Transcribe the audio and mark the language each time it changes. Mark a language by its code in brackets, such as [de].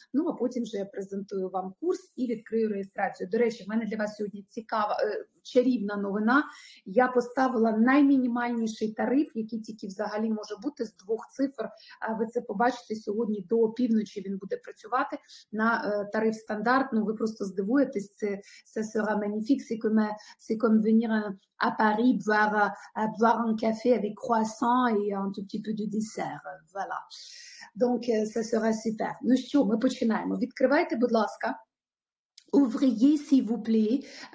[uk] Ну, а потім вже я презентую вам курс і відкрию реєстрацію. До речі, в мене для вас сьогодні цікава, чарівна новина. Я поставила наймінімальніший тариф, який тільки взагалі може бути з двох цифр. Ви це побачите сьогодні до опівночі, він буде працювати на тариф стандарт. Ну, ви просто здивуєтесь, це [fr] sera magnifique, c'est comme venir à Paris, boire un café avec croissant et un tout petit peu de dessert. Voilà. Donc, ça sera super. [uk] Ну що, ми починаємо. Відкривайте, будь ласка. [fr] Ouvrier, s'il vous plaît.